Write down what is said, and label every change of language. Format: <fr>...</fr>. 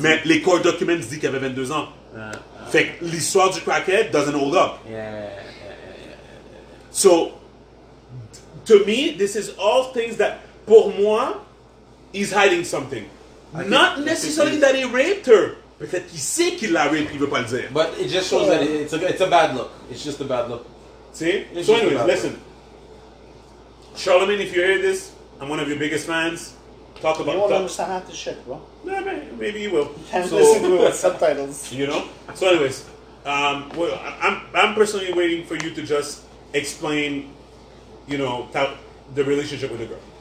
<fr>Mais les court documents disent qu'il avait 22 ans. Fait que l'histoire du crackhead</fr> <en>doesn't hold up. Yeah. So, to me, this is all things that,</en> <fr>pour moi,</fr> <en>he's hiding something. Okay. Not necessarily that he raped her.</en> <fr>Peut-être qu'il sait qu'il l'a raped, il veut pas le dire.</fr> <en>But it just shows that it's a bad look. It's just a bad look. See? So anyways, listen. Charlemagne, if you hear this, I'm one of your biggest fans. Talk about that. You won't understand the shit, bro. Nah, maybe you will. And listen to the subtitles. You know? So anyways, I'm personally waiting for you to just explain, you know, the relationship with the girl.</en>